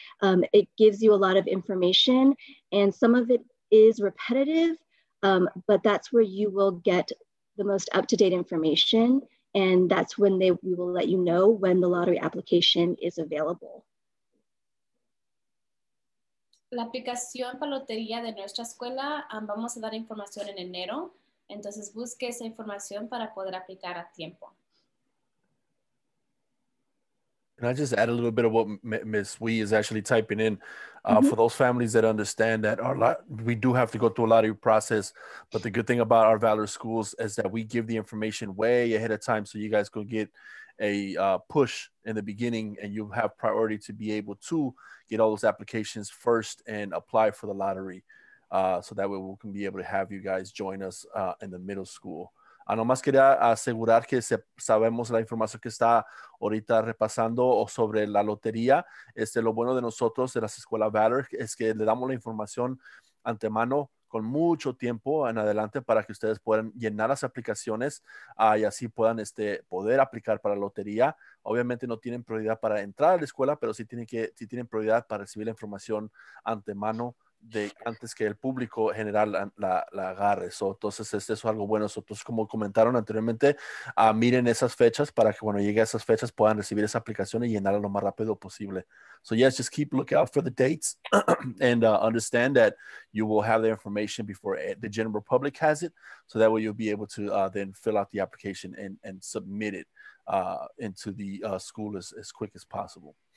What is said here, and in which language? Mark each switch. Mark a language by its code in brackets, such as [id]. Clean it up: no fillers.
[en] It gives you a lot of information and some of it is repetitive. But that's where you will get the most up-to-date information, and that's when we will let you know when the lottery application is available. La aplicación para lotería de nuestra escuela, vamos a dar información en enero, entonces busque esa información para poder aplicar a tiempo. Can I just add a little bit of what Ms. Wee is actually typing in? Mm-hmm. For those families that understand that we do have to go through a lottery process, but the good thing about our Valor schools is that we give the information way ahead of time so you guys could get a push in the beginning and you have priority to be able to get all those applications first and apply for the lottery. So that way we can be able to have you guys join us in the middle school. [es] Nomás quería asegurar que sabemos la información que está ahorita repasando o sobre la lotería. Lo bueno de nosotros de las escuelas Valor es que le damos la información antemano con mucho tiempo en adelante para que ustedes puedan llenar las aplicaciones y así puedan poder aplicar para la lotería. Obviamente no tienen prioridad para entrar a la escuela, pero sí tienen prioridad para recibir la información antemano de antes que el público general la agarre. So, entonces, eso es algo bueno. Entonces, como comentaron anteriormente, miren esas fechas para que cuando llegue a esas fechas puedan recibir esa aplicación y llenarla lo más rápido posible. [en] So, yes, just keep lookout for the dates and understand that you will have the information before the general public has it. So that way you'll be able to then fill out the application and submit it into the school as quick as possible.